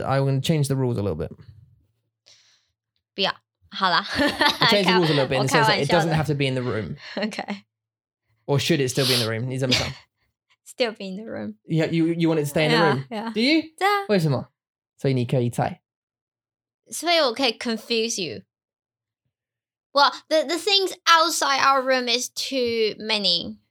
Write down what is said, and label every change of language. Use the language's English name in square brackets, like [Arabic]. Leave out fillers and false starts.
[English] I want to change the rules a little bit. [Chinese] 不要，好了。 [English] Change the rules a little bit in the sense that it doesn't have to be in the room. Okay. Or should it still be in the room? Still be in the room. Yeah, you want it to stay in the room? Yeah. Do you? [Chinese] 对啊。为什么? 所以你可以猜。所以我可以 [English] confuse you. Well, the things outside our room is too many.